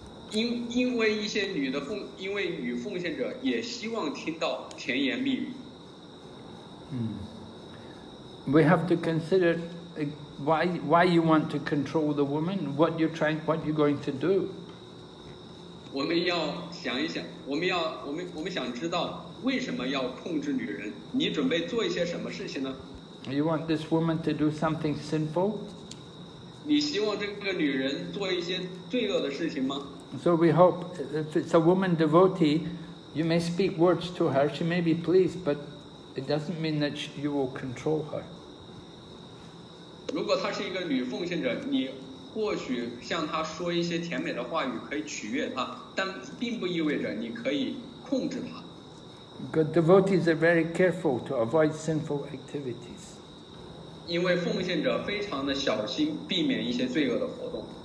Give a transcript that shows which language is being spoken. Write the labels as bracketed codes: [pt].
[zh] 因为女奉献者也希望听到甜言蜜语。 [en] We have to consider why you want to control the woman, what you're going to do. [zh] 我们要想一想，我们想知道为什么要控制女人，你准备做一些什么事情呢？ [en] You want this woman to do something sinful? [zh] 你希望这个女人做一些罪恶的事情吗？ [en] So we hope, if it's a woman devotee, you may speak words to her, she may be pleased, but it doesn't mean that you will control her. [zh] 如果她是一个女奉献者，你或许向她说一些甜美的话语可以取悦她，但并不意味着你可以控制她。 [en] Good devotees are very careful to avoid sinful activities. [zh] 因为奉献者非常的小心避免一些罪恶的活动。